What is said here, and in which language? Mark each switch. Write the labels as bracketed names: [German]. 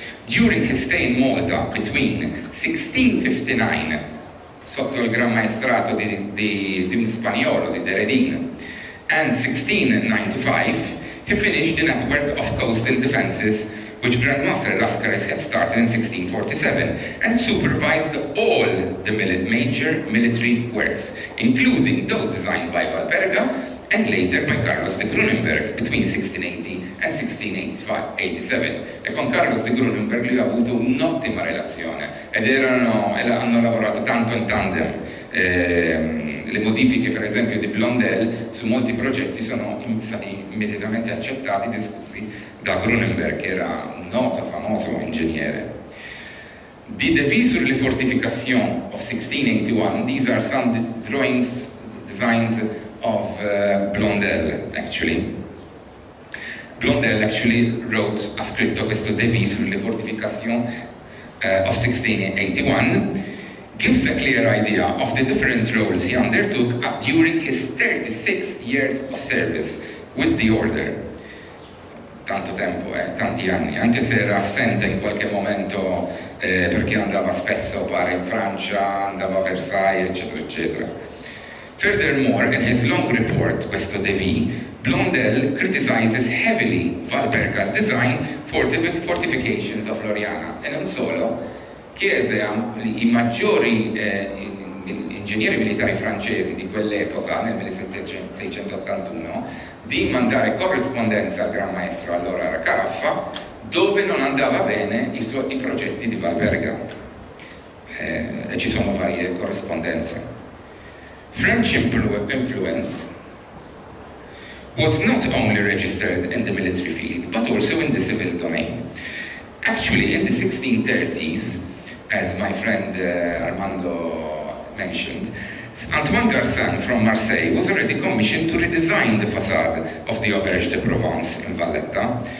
[English] During his stay in Malta between 1659, [Italian] sotto il Gran Maestrato di un spagnolo, di Deredin, [English] and 1695, he finished the network of coastal defenses which Grandmaster Lascaris had started in 1647 and supervised all the major military works, including those designed by Valperga and later by Carlos de Grunenberg between 1680 and 1687. [Italian] E con Carlos de Grunenberg lui ha avuto un'ottima relazione ed erano, hanno lavorato tanto in tandem. Le modifiche, per esempio, di Blondel su molti progetti sono immediatamente accettati e discussi da Grunenberg, che era un noto, famoso ingegnere. [English] The devis sur les fortifications of 1681, these are some drawings, designs of Blondel, actually. Blondel actually wrote, [Italian] ha scritto questo [English] devis sur les fortifications of 1681, gives a clear idea of the different roles he undertook during his 36 years of service with the order. [Italian] Tanto tempo, tanti anni, anche se era assente in qualche momento perché andava spesso a fare in Francia, andava a Versailles, eccetera, eccetera. [English] Furthermore, in his long report, questo devis, Blondel criticizes heavily Valperga's design for the fortifications of Floriana, [Italian] e non solo, chiese ai maggiori ingegneri militari francesi di quell'epoca, nel 1681, di mandare corrispondenza al Gran Maestro, allora era Caraffa, dove non andava bene i progetti di Valperga. E ci sono varie corrispondenze. [English] French influence was not only registered in the military field, but also in the civil domain. Actually, in the 1630s, as my friend Armando mentioned, Antoine Garcin from Marseille was already commissioned to redesign the facade of the Auberge de Provence in Valletta.